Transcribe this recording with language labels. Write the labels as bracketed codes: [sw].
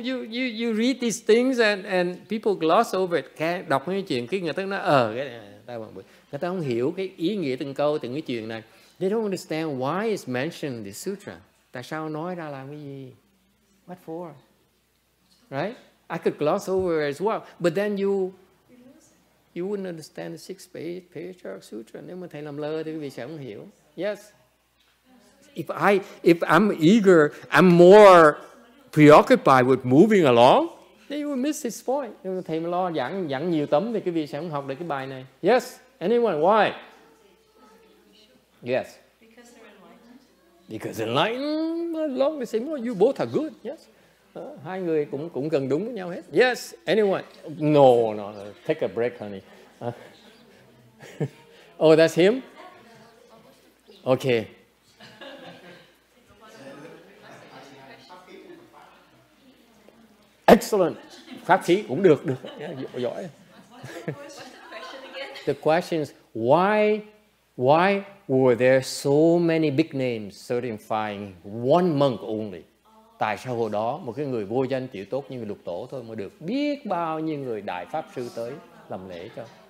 [en] You read these things and people gloss over it. [vi] Đọc cái chuyện cái người ta nói cái tao bằng bự. Người ta không hiểu cái ý nghĩa từng câu từng cái chuyện này. [en] They don't understand why it's mentioned in the sutra. [vi] Tại sao nói ra làm cái gì? [en] What for? Right? I could gloss over it as well, but then you wouldn't understand the 6th Patriarch Sutra. [vi] Nếu mà thầy làm lơ thì quý vị sẽ không hiểu. [en] Yes. If I'm eager, I'm more preoccupied with moving along, then you will miss this point. [vi] Nếu mà thầy lo dẫn nhiều tấm thì quý vị sẽ không học được cái bài này. [en] Yes. Anyone? Why? Yes. Because enlightened. Long the same. You both are good. Yes. [vi] Hai người cũng gần đúng với nhau hết. [en] Yes. Anyone? No. Take a break, honey. Oh, that's him? Okay. [vi] Excellent. Pháp khí cũng được. Giỏi. [en] The question is, why were there so many big names certifying one monk only? [vi] Tại sao hồi đó một cái người vô danh tiểu tốt như người lục tổ thôi mà được biết bao nhiêu người đại pháp sư tới làm lễ cho?